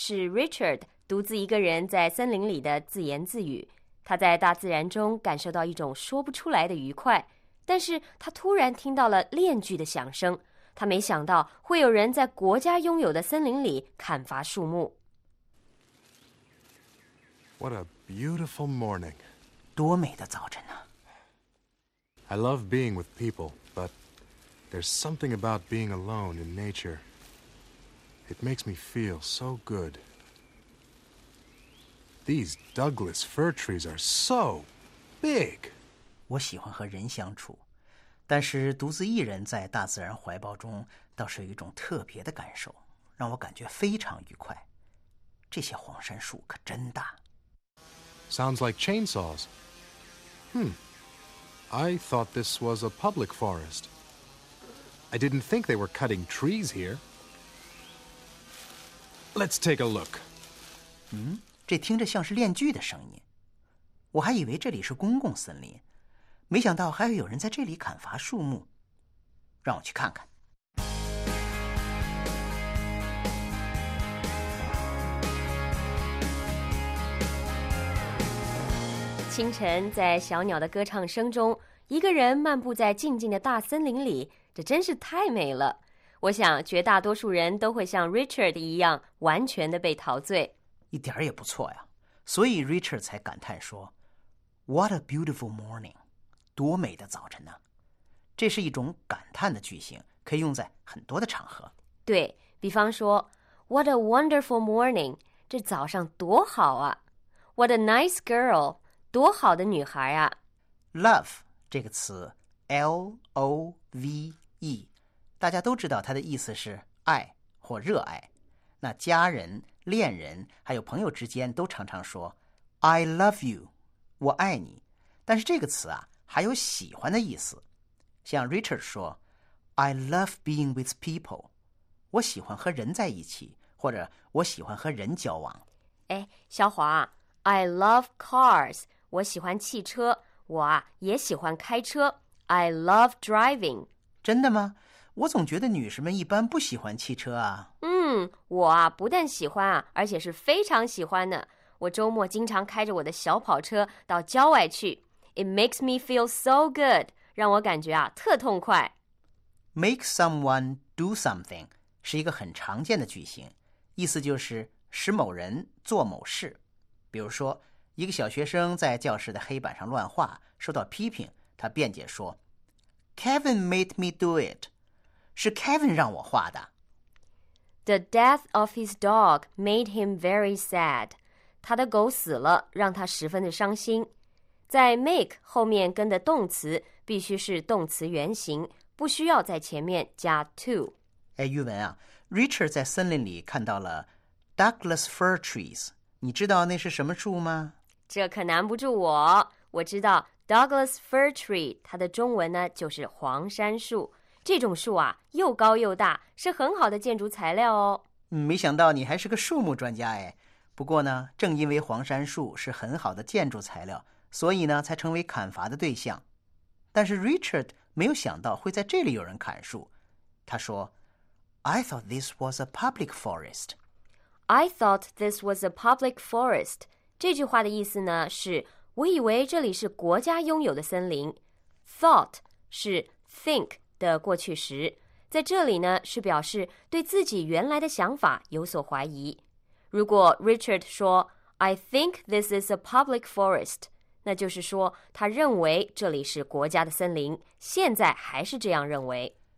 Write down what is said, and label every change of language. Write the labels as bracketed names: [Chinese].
[Chinese] Richard 独自一个人在森林里的自言自语，他在大自然中感受到一种说不出来的愉快，但是他突然听到了链锯的响声，他没想到会有人在国家拥有的森林里砍伐树木。 [English] What a beautiful morning. [Chinese] 多美的早晨啊。 [English] I love being with people, but there's something about being alone in nature. It makes me feel so good. These Douglas fir trees are so big. [Chinese] 我喜欢和人相处，但是独自一人在大自然怀抱中倒是有一种特别的感受，让我感觉非常愉快。这些黄杉树可真大。 [English] Sounds like chainsaws. I thought this was a public forest. I didn't think they were cutting trees here. Let's take a look. [Chinese] 这听着像是链锯的声音，我还以为这里是公共森林，没想到还会有人在这里砍伐树木。让我去看看。清晨，在小鸟的歌唱声中，一个人漫步在静静的大森林里，这真是太美了。我想，绝大多数人都会像 Richard 一样，完全的被陶醉。一点儿也不错呀，所以 Richard 才感叹说 [English] What a beautiful morning， [Chinese] 多美的早晨呢、啊、这是一种感叹的句型，可以用在很多的场合。对，比方说 [English] What a wonderful morning， [Chinese] 这早上多好啊。 [English] What a nice girl， [Chinese] 多好的女孩啊。 Love 这个词 L-O-V-E， 大家都知道它的意思是爱或热爱，那家人恋人还有朋友之间都常常说 [English] I love you， [Chinese] 我爱你，但是这个词啊还有喜欢的意思，像 Richard 说 [English] I love being with people， [Chinese] 我喜欢和人在一起，或者我喜欢和人交往。哎，小华， [English] I love cars， [Chinese] 我喜欢汽车，我啊也喜欢开车， [English] I love driving。 [Chinese] 真的吗？我总觉得女士们一般不喜欢汽车啊。我啊不但喜欢啊，而且是非常喜欢的。我周末经常开着我的小跑车到郊外去。 [English] It makes me feel so good， [Chinese] 让我感觉啊特痛快。 [English] Make someone do something [Chinese] 是一个很常见的句型，意思就是使某人做某事。比如说，一个小学生在教室的黑板上乱画，受到批评，他辩解说 ： [English] “Kevin made me do it。” [Chinese] 是 Kevin 让我画的。 [English] The death of his dog made him very sad. [Chinese] 他的狗死了，让他十分的伤心。在 make 后面跟的动词必须是动词原形，不需要在前面加 to。哎，玉文啊 ，Richard 在森林里看到了 Douglas fir trees。你知道那是什么树吗？这可难不住我。我知道 Douglas fir tree， 它的中文呢就是黄杉树。这种树啊又高又大，是很好的建筑材料哦。没想到你还是个树木专家哎。不过呢，正因为黄杉树是很好的建筑材料，所以呢才成为砍伐的对象。但是 Richard 没有想到会在这里有人砍树。他说 [English] I thought this was a public forest. I thought this was a public forest. [Chinese] 这句话的意思呢是我以为这里是国家拥有的森林。 Thought 是 think的过去时，在这里呢是表示对自己原来的想法有所怀疑。如果 Richard 说 [English] I think this is a public forest， [Chinese] 那就是说他认为这里是国家的森林，现在还是这样认为。